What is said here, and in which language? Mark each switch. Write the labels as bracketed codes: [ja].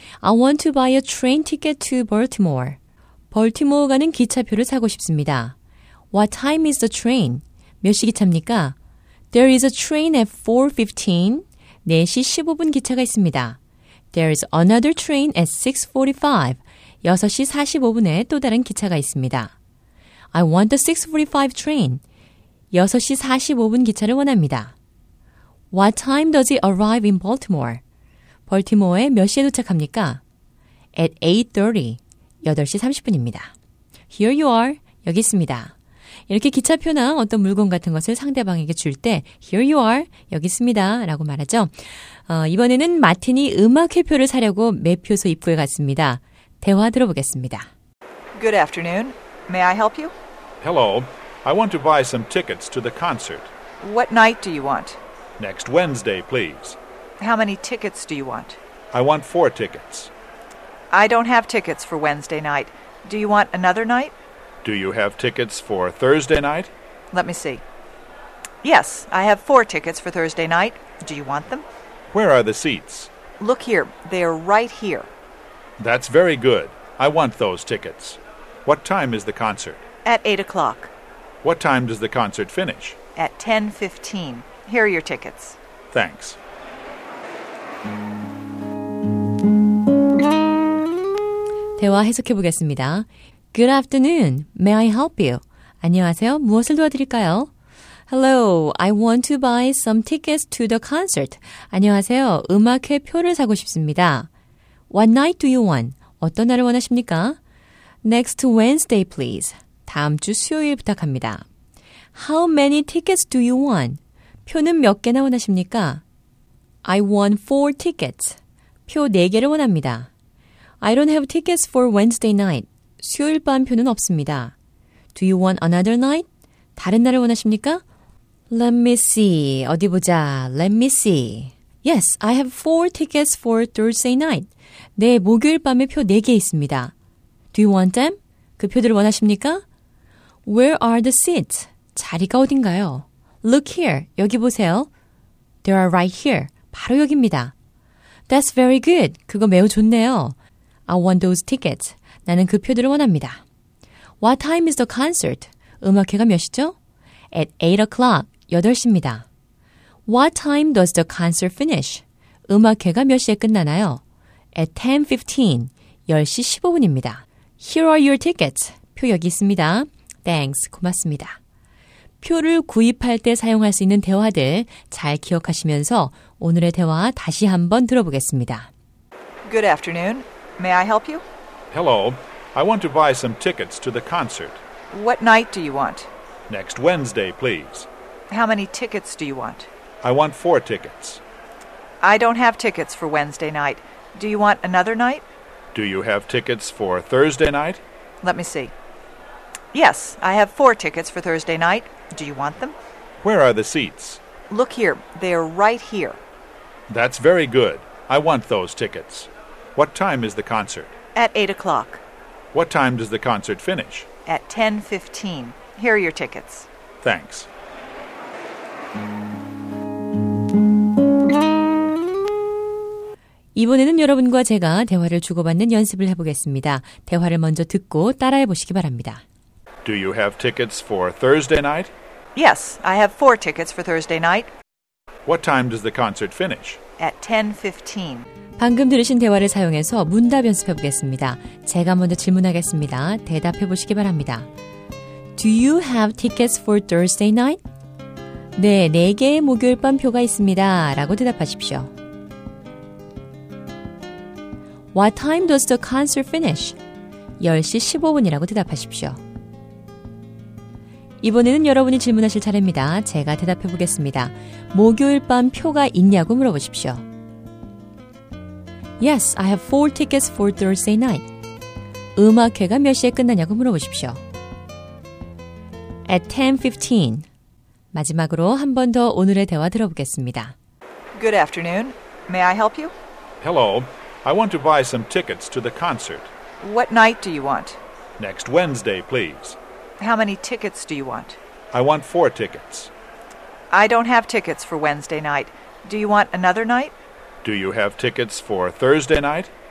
[en] I want to buy a train ticket to Baltimore. [ko] 볼티모어 가는 기차표를 사고 싶습니다. [en] What time is the train? [ko] 몇 시 기차입니까? [en] There is a train at 4:15. [ko] 4시 15분 기차가 있습니다. [en] There is another train at 6:45. [ko] 6시 45분에 또 다른 기차가 있습니다. [en] I want the 6:45 train. [ko] 6시 45분 기차를 원합니다. [en] What time does it arrive in Baltimore? [ko] 볼티모어에 몇 시에 도착합니까? [en] At 8:30. [ko] 8시 30분입니다. [en] Here you are. [ko] 여기 있습니다. 이렇게 기차표나 어떤 물건 같은 것을 상대방에게 줄 때 [en] Here you are. [ko] 여기 있습니다. 라고 말하죠. 이번에는 마틴이 음악회표를 사려고 매표소 입구에 갔습니다. 대화 들어보겠습니다. [en] Good afternoon. May I help you? Hello. I want to buy some tickets to the concert. What night do you want? Next Wednesday, please. How many tickets do you want? I want 4 tickets. I don't have tickets for Wednesday night. Do you want another night? Do you have tickets for Thursday night? Let me see. Yes, I have 4 tickets for Thursday night. Do you want them? Where are the seats? Look here. They are right here. That's very good. I want those tickets. What time is the concert? At 8 o'clock. What time does the concert finish? At 10:15. Here are your tickets. Thanks. [ko] 대화 해석해 보겠습니다. [en] Good afternoon. May I help you? [ko] 안녕하세요. 무엇을 도와드릴까요? [en] Hello. I want to buy some tickets to the concert. [ko] 안녕하세요. 음악회 표를 사고 싶습니다. [en] What night do you want? [ko] 어떤 날을 원하십니까? [en] Next Wednesday, please. [ko] 다음 주 수요일 부탁합니다. [en] How many tickets do you want? [ko] 표는 몇 개나 원하십니까? [en] I want 4 tickets. [ko] 표 4개를 원합니다. [en] I don't have tickets for Wednesday night. [ko] 수요일 밤 표는 없습니다. [en] Do you want another night? [ko] 다른 날을 원하십니까? [en] Let me see. [ko] 어디 보자. [en] Let me see. Yes, I have 4 tickets for Thursday night. [ko] 네, 목요일 밤에 표 4개 있습니다. [en] Do you want them? [ko] 그 표들을 원하십니까? [en] Where are the seats? [ko] 자리가 어딘가요? [en] Look here. [ko] 여기 보세요. [en] They are right here. [ko] 바로 여기입니다. [en] That's very good. [ko] 그거 매우 좋네요. [en] I want those tickets. [ko] 나는 그 표들을 원합니다. [en] What time is the concert? [ko] 음악회가 몇 시죠? [en] At 8 o'clock. [ko] 8시입니다. [en] What time does the concert finish? [ko] 음악회가 몇 시에 끝나나요? [en] At 10:15. [ko] 10시 15분입니다. [en] Here are your tickets. [ko] 표 여기 있습니다. [en] Thanks. [ko] 고맙습니다. 표를 구입할 때 사용할 수 있는 대화들 잘 기억하시면서 오늘의 대화 다시 한번 들어보겠습니다. [en] Good afternoon. May I help you? Hello. I want to buy some tickets to the concert. What night do you want? Next Wednesday, please. How many tickets do you want? I want 4 tickets. I don't have tickets for Wednesday night. Do you want another night? Do you have tickets for Thursday night? Let me see. Yes, I have 4 tickets for Thursday night. Do you want them? Where are the seats? Look here. They are right here. That's very good. I want those tickets. What time is the concert? At 8 o'clock. What time does the concert finish? At 10:15. Here are your tickets. Thanks. [ko] 이번에는 여러분과 제가 대화를 주고받는 연습을 해보겠습니다. 대화를 먼저 듣고 따라해보시기 바랍니다. [en] Do you have tickets for Thursday night? Yes, I have 4 tickets for Thursday night. What time does the concert finish? At 10:15. [ko] 방금 들으신 대화를 사용해서 문답 연습해 보겠습니다. 제가 먼저 질문하겠습니다. 대답해 보시기 바랍니다. [en] Do you have tickets for Thursday night? [ko] 네, 네 개의 목요일 밤 표가 있습니다. 라고 대답하십시오. [en] What time does the concert finish? [ko] 10시 15분이라고 대답하십시오. 이번에는 여러분이 질문하실 차례입니다. 제가 대답해 보겠습니다. 목요일 밤 표가 있냐고 물어보십시오. [en] Yes, I have 4 tickets for Thursday night. [ko] 음악회가 몇 시에 끝나냐고 물어보십시오. [en] At 10:15. [ko] 마지막으로 한 번 더 오늘의 대화 들어보겠습니다. [en] Good afternoon. May I help you? Hello. I want to buy some tickets to the concert. What night do you want? Next Wednesday, please. How many tickets do you want? I want 4 tickets. I don't have tickets for Wednesday night. Do you want another night? Do you have tickets for Thursday night?